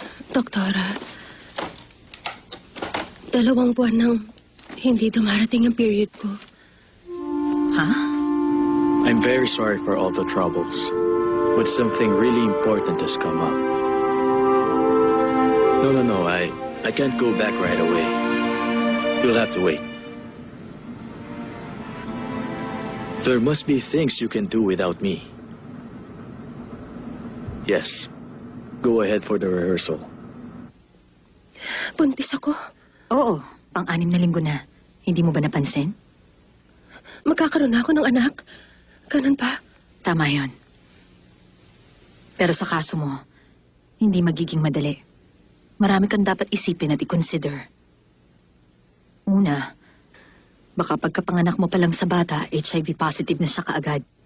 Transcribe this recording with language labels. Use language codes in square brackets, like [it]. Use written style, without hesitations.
[tl] Doktora, dalawang buwan nang hindi dumarating ang period ko. [en] I'm very sorry for all the troubles, but something really important has come up. No, I can't go back right away. You'll have to wait. There must be things you can do without me. Yes, go ahead for the rehearsal. [tl] Buntis ako? Oo, pang-anim na linggo na. Hindi mo ba napansin? Magkakaroon na ako ng anak. Ganun pa? Tama yun. Pero sa kaso mo, hindi magiging madali. Marami kang dapat isipin at i-consider. Una, baka pagkapanganak mo palang sa bata, HIV positive na siya kaagad.